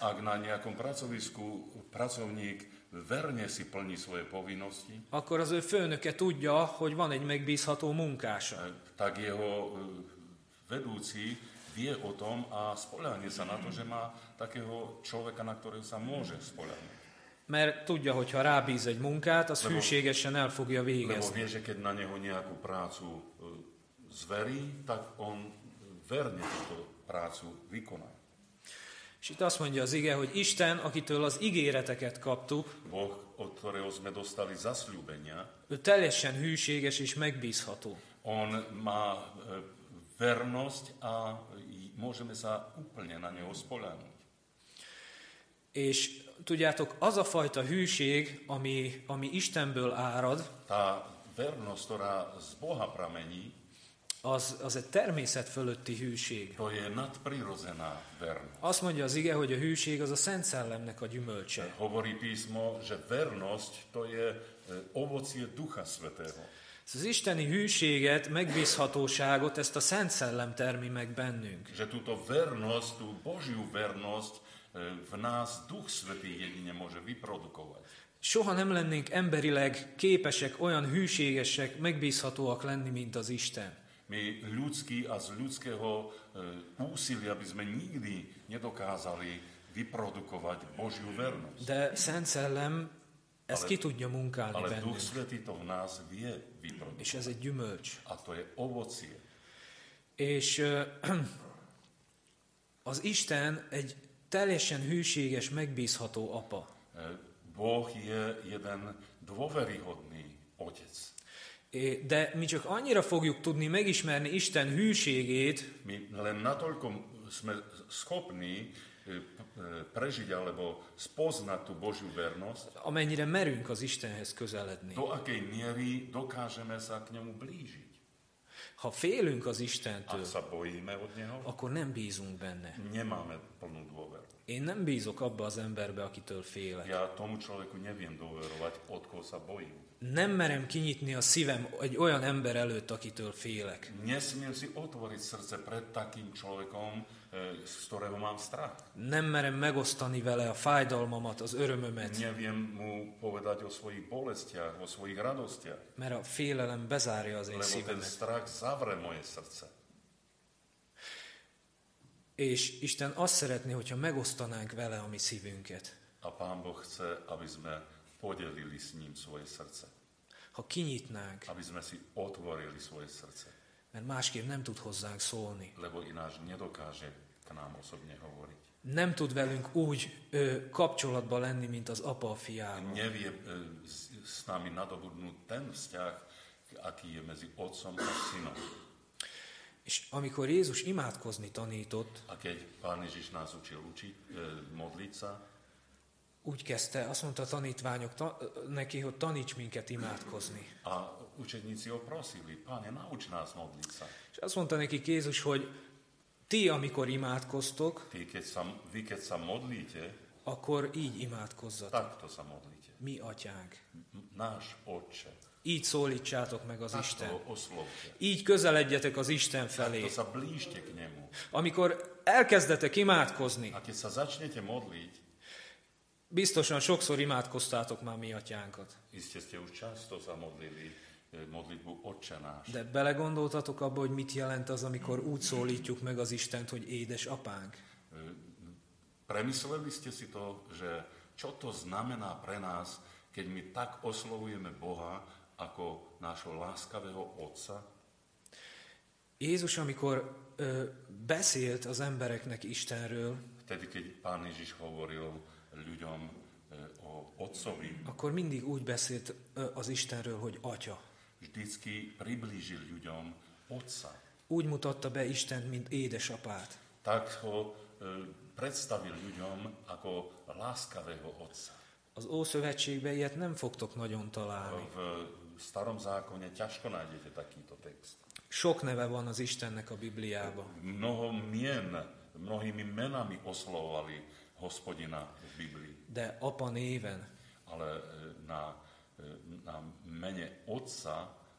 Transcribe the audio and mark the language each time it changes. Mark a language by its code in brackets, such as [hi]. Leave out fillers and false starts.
[sk] ak na nejakom pracovisku pracovník verne si plní svoje povinnosti, [hu] akkor az ő főnöke tudja, hogy van egy megbízható munkása. [sk] Tak jeho vedúci vie o tom a spoľahne sa na to, že má takého človeka, na ktorého sa môže spoľahnúť. [hu] Mert tudja, hogy ha rábíz egy munkát, az hűségesen el fogja végezni. [sk] Lebo vie, že na neho nejakú prácu zverí, tak on verne túto prácu vykoná. [hu] És itt azt mondja az ige, hogy Isten, akitől az ígéreteket kaptuk, [sk] Boh, od ktorého sme dostali zasľúbenia, [hu] ő teljesen hűséges és megbízható. [sk] On má vernosť a môžeme sa úplne na neho spoľahnúť. [hu] És tudjátok, az a fajta hűség, ami Istenből árad, [sk] tá vernosť, ktorá z Boha pramení, [hu] Az egy természet fölötti hűség. [sk] To je nadprirozená vernosť. [hu] Azt mondja az ige, hogy a hűség az a Szent Szellemnek a gyümölcse. [sk] Hovorí písmo, že vernosť to je ovocie Ducha Svätého. [hu] Az isteni hűséget, megbízhatóságot, ezt a Szent Szellem termi meg bennünk. [sk] Že túto vernosť, tú Božiu vernosť v nás Duch Svätý jedine môže vyprodukovať. [hu] Soha nem lennénk emberileg képesek olyan hűségesek, megbízhatóak lenni, mint az Isten. [sk] My ľudský a z ľudského úsilia by sme nikdy nedokázali vyprodukovať Božiu vernosť. [hu] De Szent Szellem ezt ki tudja munkálni bennünk. [sk] Ale Duch Svätý to v nás vie vyprodukovať. [hu] És ez egy gyümölcs. [sk] A to je ovocie. [hu] És az Isten egy teljesen hűséges, megbízható apa. [sk] Boh je jeden dôveryhodný otec. [hu] De mi csak annyira fogjuk tudni megismerni Isten hűségét, [sk] mi len natoľko sme schopní prežiť alebo spoznať tú Božiu vernosť, [hu] amennyire merünk az Istenhez közeledni. [sk] Do akej miery dokážeme sa k nemu blížiť. [hu] Ha félünk az Istentől, [sk] ak sa bojíme od neho, [hu] akkor nem bízunk benne. [sk] Nemáme plnú dôveru. [hu] Én nem bízok abba az emberbe, akitől félek. [sk] Ja tomu človeku neviem dôverovať, od koho sa bojím. [hu] Nem merem kinyitni a szívem egy olyan ember előtt, akitől félek. [sk] Nesmiem si otvoriť srdce pred takým človekom, z ktorého mám strach. [hu] Nem merem megosztani vele a fájdalmamat, az örömömet. [sk] Neviem mu povedať o svojich bolestiach, o svojich radostiach. [hu] Mert a félelem bezárja az én szívemet. [sk] Lebo ten strach zavre moje srdce. [hu] És Isten azt szeretné, hogyha megosztanánk vele a mi szívünket. [sk] A Pán Boh chce, aby sme podelili s ním svoje srdce. [hu] Ha kinyitnánk. [sk] Aby sme si otvorili svoje srdce. [hu] Mert másképp nem tud hozzánk szólni. [sk] Lebo ináč nedokáže k nám osobne hovoriť. [hu] Nem tud velünk úgy kapcsolatba lenni, mint az apa a fiával. [sk] Nevie s nami nadobudnúť ten vzťah, aký je medzi otcom a synom. [hu] És amikor Jézus imádkozni tanított, [sk] a keď Pán Ježiš nás učil modliť sa, [hu] úgy kezdte, azt mondta a tanítványok neki, hogy taníts minket imádkozni. [sk] A učedníci ho prosili, Páne, nauč nás modliť sa. [hu] És azt mondta neki Jézus, hogy ti, amikor imádkoztok, [sk] vy keď sa modlíte, [hu] akkor így imádkozzatok. [sk] Takto sa modlíte. [hu] Mi atyánk. [sk] Náš Otče. [hu] Így szólítsátok meg az Isten. Oszlopja. Így közeledjetek az Isten felé. [sk] Sa blížte k nemu. [hu] Amikor elkezdetek imádkozni, [sk] a keď sa začnete modliť, [hu] biztosan sokszor imádkoztátok már mi atyánkat. [sk] Iste ste už často sa modlili modlitbu Otče náš. [hu] De belegondoltatok abba, hogy mit jelent az, amikor úgy szólítjuk meg az Istent, hogy édes apánk? [sk] Premysleli ste si to, že čo to znamená pre nás, keď my tak oslovujeme Boha ako nášho láskavého Otca? [hu] Jézus, amikor beszélt az embereknek Istenről, [sk] vtedy, keď Pán Ježiš hovoril ľuďom o Otcovi, [hu] akkor mindig úgy beszélt az Istenről, hogy Atya. [sk] Vždycky priblížil ľuďom Otca. [hu] Úgy mutatta be Istent, mint édesapát. [sk] Tak ho predstavil ľuďom ako láskavého Otca. [hu] Az Ószövetségben ilyet nem fogtok nagyon találni. [sk] V starom zákone ťažko nájdete takýto text. [hu] Sok neve van az Istennek a Bibliában. [sk] Mnohými menami oslovovali Hospodina v Biblii. [hu] De apa néven. [sk] Ale na mene Otca